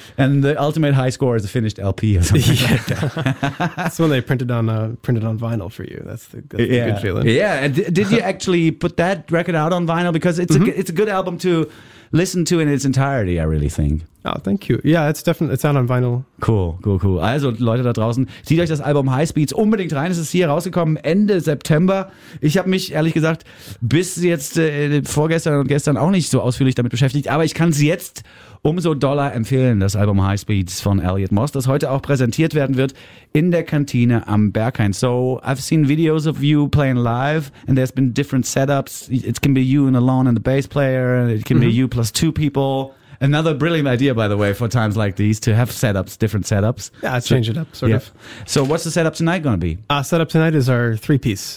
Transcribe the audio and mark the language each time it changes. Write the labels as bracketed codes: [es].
[en] And the ultimate high score is a finished LP or something like that. That's when they printed on vinyl for you. That's the good feeling. Yeah. And did you actually put that record out on vinyl? Because it's a good album to listen to in its entirety, I really think. Oh, thank you. Yeah, it's out on vinyl. Cool. [de] Also, Leute da draußen, zieht euch das Album High Speeds unbedingt rein. Es ist hier rausgekommen Ende September. Ich habe mich, ehrlich gesagt, bis jetzt vorgestern und gestern auch nicht so ausführlich damit beschäftigt. Aber ich kann es jetzt umso doller empfehlen, das Album High Speeds von Elliot Moss, das heute auch präsentiert werden wird in der Kantine am Berghain. [en] So, I've seen videos of you playing live and there's been different setups. It can be you and alone and the bass player. It can be you plus two people. Another brilliant idea, by the way, for times like these, to have setups, different setups. Yeah, change it up, sort of. So what's the setup tonight going to be? Setup tonight is our three-piece.